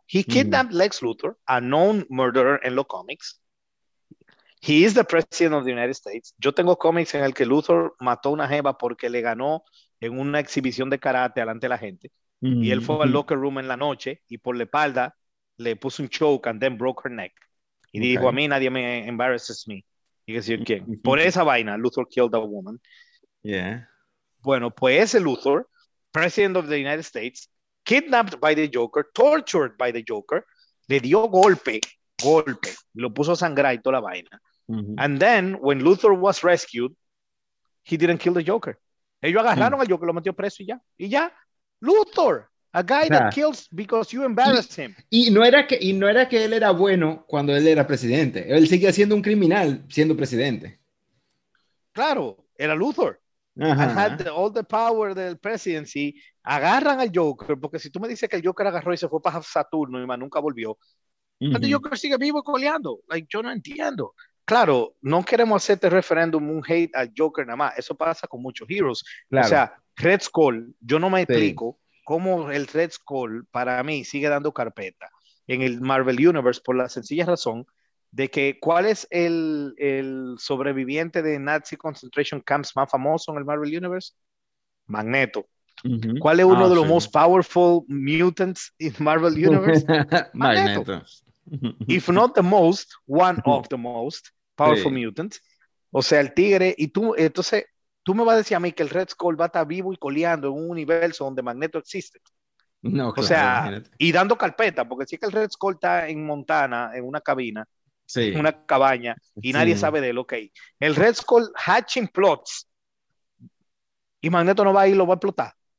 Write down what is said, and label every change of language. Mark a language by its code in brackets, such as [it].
[en] He kidnapped Lex Luthor, a known murderer in the comics. He is the president of the United States. [es] Yo tengo cómics en el que Luthor mató una jeva porque le ganó en una exhibición de karate delante de la gente. Y él fue al locker room en la noche y por la espalda le puso un choke [en] and then broke her neck. [es] Y dijo, a mí nadie me embarrasses me. Y que si yo quién. Por esa vaina, [en] Luthor killed a woman. Yeah. [es] Bueno, pues ese Luthor, [en] president of the United States, kidnapped by the Joker, [es] tortured by the Joker, le dio golpe, lo puso a sangrar y toda la vaina. [en] And then, when Luthor was rescued, he didn't kill the Joker. [es] Ellos agarraron al Joker, lo metió preso y ya. [en] Luthor, a guy that kills because you embarrassed him. [es] Y no era que él era bueno cuando él era presidente. Él seguía siendo un criminal siendo presidente. Claro, era Luthor. [en] And had all the power del presidency. [es] Agarran al Joker, porque si tú me dices que el Joker agarró y se fue para Saturno y más nunca volvió, el Joker sigue vivo coleando. Like, yo no entiendo. Claro, no queremos hacerte referéndum un hate al Joker nada más. Eso pasa con muchos heroes. Claro. O sea, Red Skull, yo no me explico cómo el Red Skull para mí sigue dando carpeta en el Marvel Universe por la sencilla razón de que cuál es el sobreviviente de Nazi concentration camps más famoso en el Marvel Universe. Magneto. ¿Cuál es uno de los [en] most powerful mutants in Marvel Universe? [es] Magneto. [en] If not the most, one of the most powerful mutants. [es] O sea, el tigre. Y tú, entonces, tú me vas a decir a mí que el Red Skull va a estar vivo y coleando en un universo donde Magneto existe. No, claro. O sea, y dando carpeta, porque si es que el Red Skull está en Montana, en una cabina, en una cabaña, y nadie sabe de él, ok. El Red Skull [en] hatching plots. [es] Y Magneto no va a ir, lo va a explotar.